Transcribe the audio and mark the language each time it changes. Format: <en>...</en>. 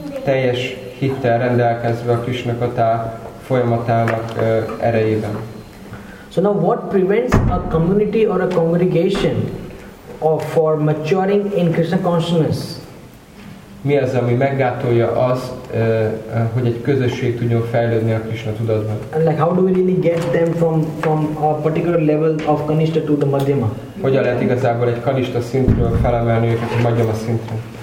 <hu>teljes hittel rendelkezve a Krishna katha folyamatának erejében.</hu> <en>So now what prevents a community or a congregation or for maturing in Krishna consciousness?</en> <hu>Mi az, ami meggátolja az, hogy egy közösség tudjon fejlődni a Krishna tudatban?</hu> <en>And like how do we really get them from a particular level of kanista to the madhyama?</en> <hu>Hogyan lehet igazából egy kanista szintről felemelni őket a madhyama szintre?</hu>